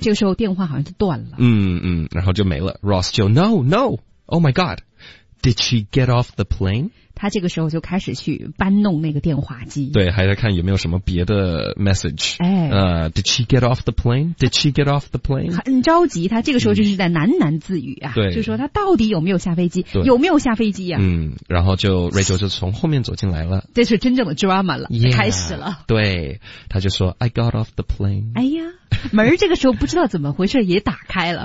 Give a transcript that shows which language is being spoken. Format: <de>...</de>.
<zh>好这个时候电话好像就断了嗯嗯然后就没了</zh> <en>Ross 就 no oh my god did she get off the plane</en> <zh>他这个时候就开始去搬弄那个电话机对还在看有没有什么别的 message、哎</zh> <en>did she get off the plane did she get off the plane</en> <zh>很着急他这个时候就是在喃喃自语啊、嗯、对就说他到底有没有下飞机有没有下飞机啊嗯然后就 Rachel 就从后面走进来了这是真正的 drama 了</zh> <en>yeah,</en> <zh>开始了对他就说</zh> <en>I got off the plane</en> <zh>哎呀门这个时候不知道怎么回事也打开了</zh>